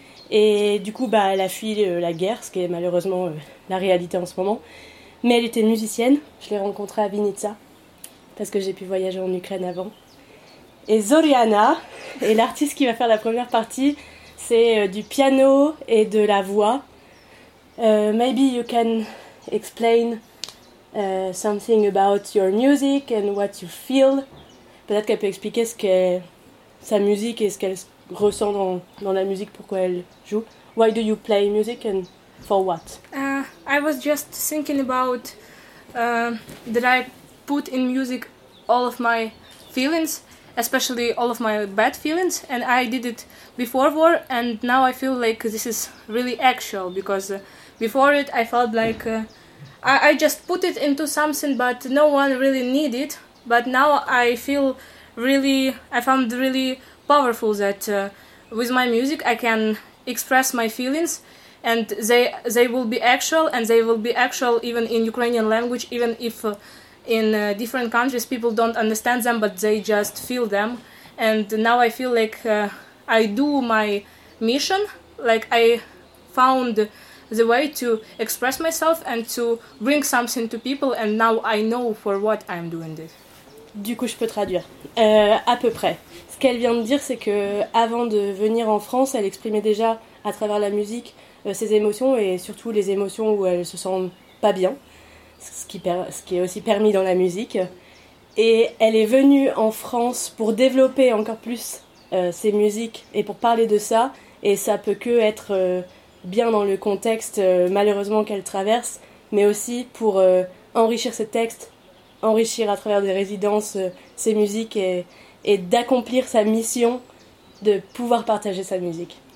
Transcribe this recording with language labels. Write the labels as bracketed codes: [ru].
[fr] Et du coup, bah, elle a fui la guerre, ce qui est malheureusement la réalité en ce moment. Mais elle était musicienne. Je l'ai rencontrée à Vinnytsia, parce que j'ai pu voyager en Ukraine avant. Et Zoriana, et l'artiste qui va faire la première partie, c'est du piano et de la voix. [en] Maybe you can explain something about your music and what you feel. [fr] Peut-être qu'elle peut expliquer ce qu'est sa musique et ce qu'elle... ressent dans la musique, pourquoi elle joue. [en] Why do you play music and for what? I was just thinking about that I put in music all of my feelings, especially all of my bad feelings, and I did it before war, and now I feel like this is really actual, because before it I felt like I just put it into something, but no one really needed it. But now I feel really, I found really powerful that with my music I can express my feelings, and they will be actual, and they will be actual even in Ukrainian language, even if in different countries people don't understand them, but they just feel them. And now I feel like I do my mission, like I found the way to express myself and to bring something to people, and now I know for what I'm doing this. [fr] Du coup, je peux traduire à peu près. Ce qu'elle vient de dire, c'est que avant de venir en France, elle exprimait déjà à travers la musique ses émotions, et surtout les émotions où elle se sent pas bien, ce qui est aussi permis dans la musique. Et elle est venue en France pour développer encore plus ses musiques et pour parler de ça, et ça peut que être bien dans le contexte malheureusement qu'elle traverse, mais aussi pour enrichir ses textes, enrichir à travers des résidences ses musiques et d'accomplir sa mission de pouvoir partager sa musique.